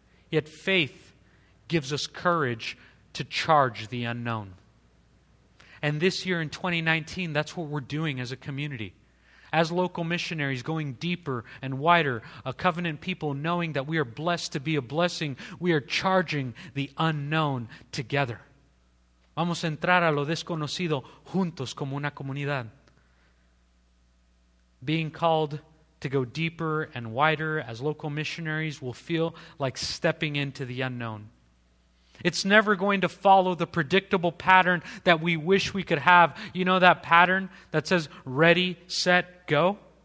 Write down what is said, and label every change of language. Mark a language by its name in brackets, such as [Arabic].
[English] Yet faith gives us courage to charge the unknown. And this year in 2019, that's what we're doing as a community. As local missionaries going deeper and wider, a covenant people knowing that we are blessed to be a blessing, we are charging the unknown together. [Spanish] Vamos a entrar a lo desconocido juntos como una comunidad. [English] Being called to go deeper and wider as local missionaries will feel like stepping into the unknown. It's never going to follow the predictable pattern that we wish we could have. You know that pattern that says ready, set, go?